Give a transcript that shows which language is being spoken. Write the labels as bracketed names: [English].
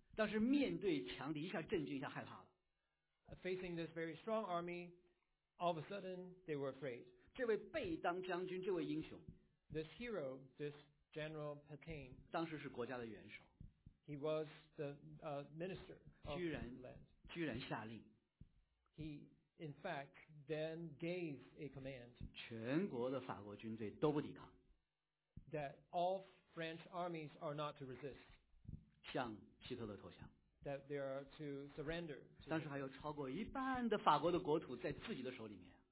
[Chinese] 当时面对强敌，一下震惊，一下害怕了。 [English] Facing this very strong army, all of a sudden they were afraid. [Chinese] 这位贝当将军，这位英雄 [English] ，this hero, this General Petain, [Chinese] 当时是国家的元首。 [English] He was the minister of the land. [Chinese] 居然下令。 [English] In fact, then gave a command [Chinese] 全国的法国军队都不抵抗 [English] that all French armies are not to resist [Chinese] 向希特勒投降 [English] that they are to surrender [Chinese] 当时还有超过一半的法国的国土在自己的手里面